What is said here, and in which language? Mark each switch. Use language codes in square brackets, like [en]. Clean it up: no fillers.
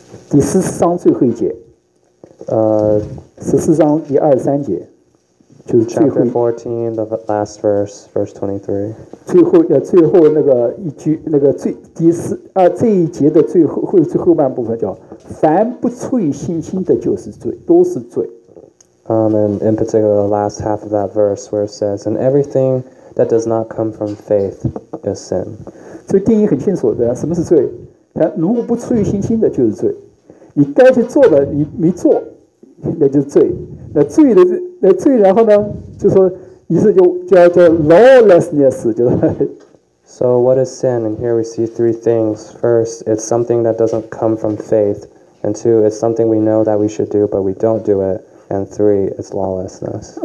[zh] 第十四章最后一节十四章第二三节就是 [en] Chapter 14, the last verse, verse 23. [zh] 最后那个一句，那个最第四啊这一节的最后半部分叫凡不出于信心的就是罪，都是罪。 [en] And in particular, the last half of that verse where it says, and everything that does not come from faith is sin. [zh] 这定义很清楚的，什么是罪？如果不出于信心的就是罪，你该去做的你没做，那就是罪。那罪，然后呢，就说意思就叫 lawlessness， 就是。 [en] So what is sin? And here we see three things. First, it's something that doesn't come from faith. And two, it's something we know that we should do, but we don't do it. And three, it's lawlessness.